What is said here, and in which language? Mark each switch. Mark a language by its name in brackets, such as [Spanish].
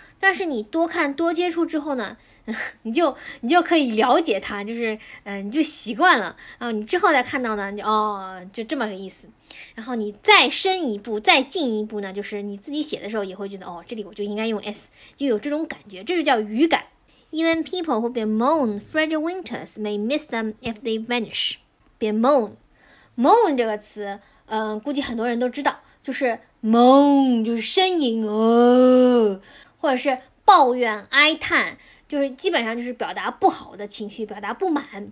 [Chinese] 但是你多看多接触之后呢，你就可以了解它，就是你就习惯了。然后你之后再看到呢，你哦，就这么个意思。然后你再深一步再进一步呢，就是你自己写的时候也会觉得，哦，这里我就应该用 s， 就有这种感觉，这就叫语感。 [English] Even people who bemoan frigid winters may miss them if they vanish. Bemoan， [Chinese] moan 这个词，估计很多人都知道，就是 moan 就是呻吟哦，或者是抱怨哀叹，就是基本上就是表达不好的情绪，表达不满。